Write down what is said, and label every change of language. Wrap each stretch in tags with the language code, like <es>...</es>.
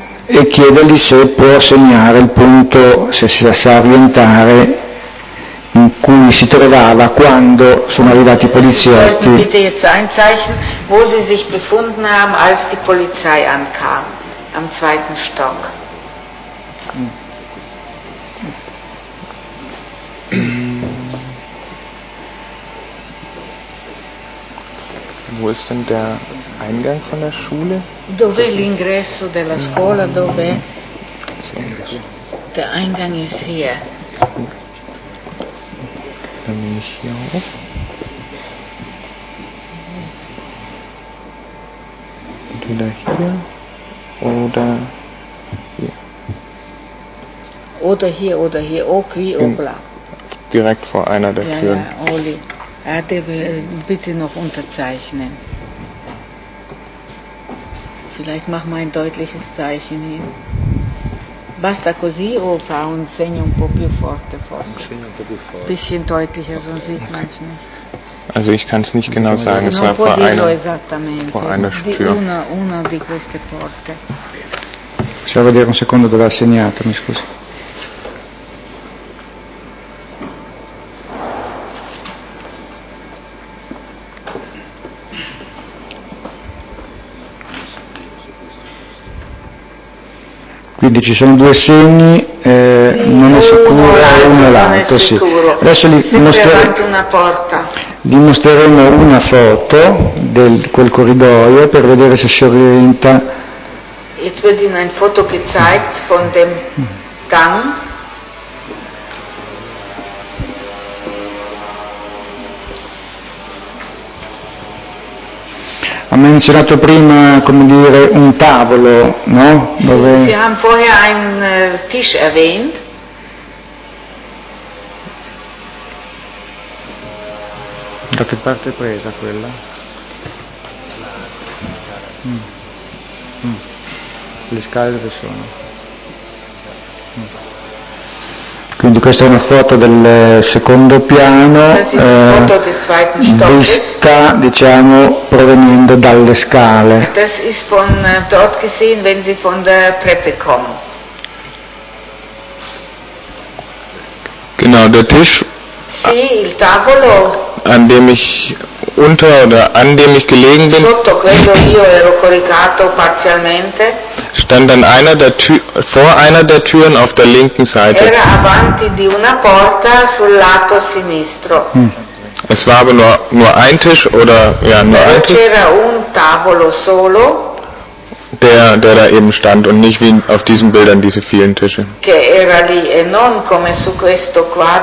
<it>E chiedergli se può segnare il punto, se si sa orientare, in cui si trovava quando sono arrivati i poliziotti.</it> <de>Sie sollten bitte jetzt einzeichnen, wo sie sich befunden haben, als die Polizei ankam, am zweiten Stock. Wo ist denn der Eingang von der Schule?</de> <it>Dov'è l'ingresso della scuola? Dov'è?</it> <de>Der Eingang ist hier. Dann nehme ich hier auf. Entweder hier oder hier. Oder hier, oder hier, auch wie, obla. Direkt vor einer der Türen. Ja, Oli. Der will bitte noch unterzeichnen. Vielleicht mach mal ein deutliches Zeichen hin.</de> <it>Basta così o fa un segno un po' più forte, forse? Un segno un po' più forte.</it> <de>Bisschen deutlicher, sonst sieht man es nicht. Also ich kann es nicht genau sagen, es war vor einer Tür.</de> <it>Una di queste porte. Possiamo vedere un secondo dove ha segnato, mi scusi. Quindi ci sono due segni, sì, non è sicuro uno o l'altro. Sì. Adesso li mostreremo una foto del quel corridoio per vedere se si orienta.</it> <de>Jetzt wird Ihnen ein Foto gezeigt von dem Gang.</de> <it>Ha menzionato prima, come dire, un tavolo, no? Dove...</it> <de>Sie haben vorher einen Tisch erwähnt.</de> <it>Da che parte è presa quella? Le scale dove sono? Quindi questa è una foto del secondo piano, vista, diciamo, provenendo dalle scale.</it> <de>Das ist von dort gesehen, wenn Sie von der Treppe kommen. Genau, der Tisch.</de> <it>Sì, il tavolo.</it> <de>An dem ich unter oder an dem ich gelegen bin.</de> <it>Sotto quello io ero coricato parzialmente.</it> <de>Stand an einer der vor einer der Türen auf der linken Seite.</de> <it>Era avanti di una porta sul lato sinistro.</it> <de>Es war aber nur ein Tisch oder ja nur ein Tisch.</de> <it>C'era un tavolo solo.</it> <de>Der da eben stand und nicht wie auf diesen Bildern diese vielen Tische.</de> <it>Che era lì e non come su questo quadro.</it>